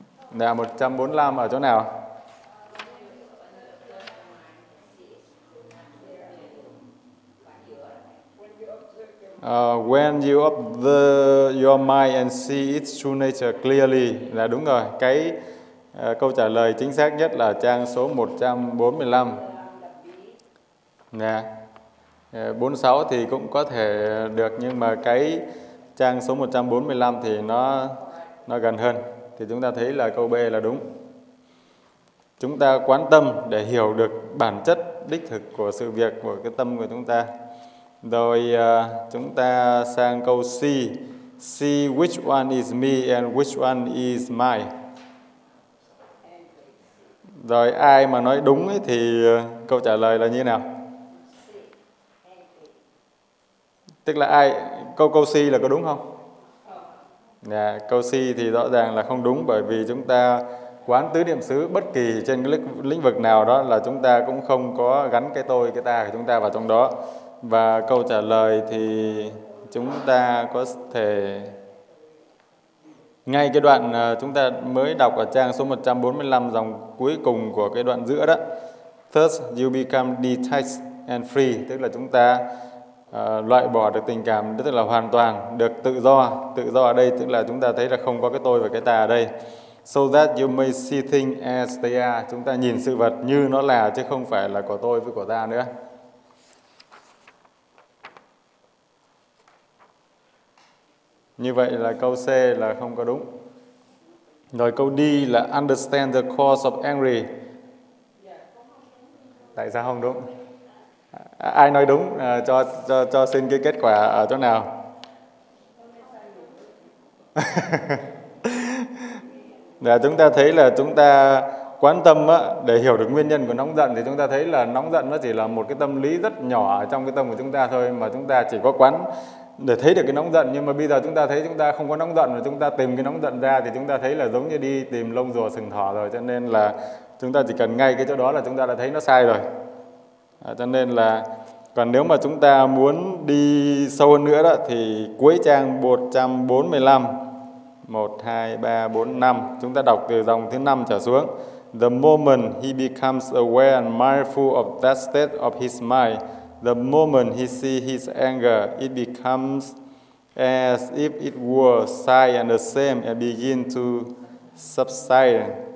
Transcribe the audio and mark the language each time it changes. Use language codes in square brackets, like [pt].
[vi] Đã 145 ở chỗ nào? [en] When you observe your mind and see its true nature clearly. [vi] Đã đúng rồi. Cái câu trả lời chính xác nhất là trang số 145. Nè. 46 thì cũng có thể được, nhưng mà cái trang số 145 thì nó gần hơn. Thì chúng ta thấy là câu B là đúng. Chúng ta quán tâm để hiểu được bản chất đích thực của sự việc, của cái tâm của chúng ta. Rồi chúng ta sang câu C, [en] see which one is me and which one is mine. [vi] Rồi ai mà nói đúng ấy, thì câu trả lời là như thế nào? Tức là ai? Câu C là có đúng không? Dạ, câu C thì rõ ràng là không đúng, bởi vì chúng ta quán tứ niệm xứ bất kỳ trên cái lĩnh vực nào đó là chúng ta cũng không có gắn cái tôi, cái ta của chúng ta vào trong đó. Và câu trả lời thì chúng ta có thể... Ngay cái đoạn chúng ta mới đọc ở trang số 145, dòng cuối cùng của cái đoạn giữa đó. [en] Thus you become detached and free. [vi] Tức là chúng ta loại bỏ được tình cảm, tức là hoàn toàn được tự do. Tự do ở đây tức là chúng ta thấy là không có cái tôi và cái ta ở đây. [en] So that you may see things as they are. [vi] Chúng ta nhìn sự vật như nó là, chứ không phải là của tôi với của ta nữa. Như vậy là câu C là không có đúng. Rồi câu D là [en] understand the cause of angry. [vi] Tại sao không đúng? Ai nói đúng cho xin cái kết quả ở chỗ nào? Để chúng ta thấy là chúng ta quan tâm á, để hiểu được nguyên nhân của nóng giận, thì chúng ta thấy là nóng giận nó chỉ là một cái tâm lý rất nhỏ trong cái tâm của chúng ta thôi, mà chúng ta chỉ có quán để thấy được cái nóng giận. Nhưng mà bây giờ chúng ta thấy chúng ta không có nóng giận, mà chúng ta tìm cái nóng giận ra, thì chúng ta thấy là giống như đi tìm lông rùa sừng thỏ rồi. Cho nên là chúng ta chỉ cần ngay cái chỗ đó là chúng ta đã thấy nó sai rồi. Cho nên là còn nếu mà chúng ta muốn đi sâu hơn nữa đó, thì cuối trang 145, 1, 2, 3, 4, 5, chúng ta đọc từ dòng thứ 5 trở xuống. [en] The moment he becomes aware and mindful of that state of his mind, the moment he sees his anger, it becomes as if it were sigh and the same and begin to subside.